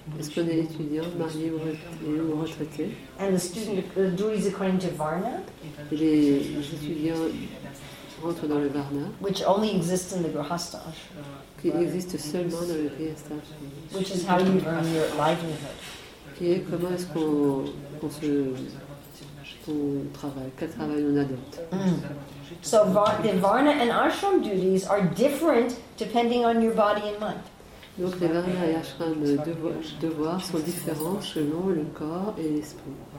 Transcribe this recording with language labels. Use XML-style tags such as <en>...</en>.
<fr>Est-ce qu'on est étudiant, marié ou retraité?</fr> <en>And the student the duties according to varna.</en> <fr>Les étudiants rentrent dans le varna.</fr> <en>Which only exists in the grahastha ashram.</en> <fr>Qui existe seulement dans le Grihastha.</fr> <en>Which is how you earn your livelihood.</en> <fr>Qui est comment est-ce qu'on travaille, quel travail on adopte. Mm.</fr> <en>So the varna and ashram duties are different depending on your body and mind.</en> <fr>Donc les varna et ashram devoirs sont différents selon le corps et l'esprit.</fr>